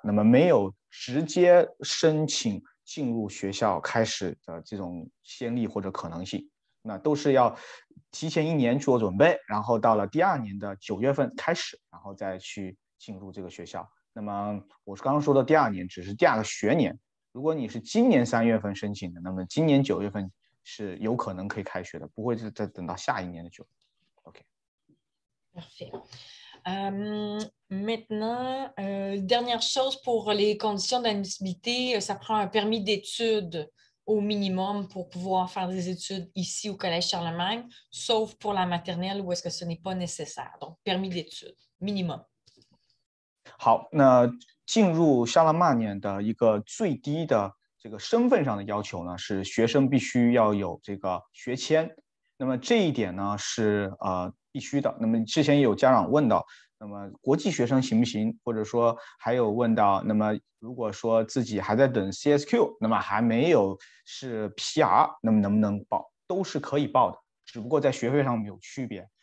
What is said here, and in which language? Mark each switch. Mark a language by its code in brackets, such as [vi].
[zh] 那么没有直接申请进入学校开始的这种先例或者可能性，那都是要提前一年做准备，然后到了第二年的九月份开始，然后再去进入这个学校。那么我刚刚说的第二年只是第二个学年，如果你是今年三月份申请的，那么今年九月份是有可能可以开学的，不会再等到下一年的九月。 OK。 [fr] Parfait. Maintenant, dernière chose pour les conditions d'admissibilité, ça prend un permis d'études au minimum pour pouvoir faire des études ici au Collège Charlemagne, sauf pour la maternelle où est-ce que ce n'est pas nécessaire. Donc, permis d'études, minimum. [zh] 好，那进入夏拉曼年的一个最低的这个身份上的要求呢，是学生必须要有这个学签。那么这一点呢是必须的。那么之前有家长问到，那么国际学生行不行，或者说还有问到，那么如果说自己还在等 CSQ， 那么还没有是 PR， 那么能不能报，都是可以报的，只不过在学费上有区别。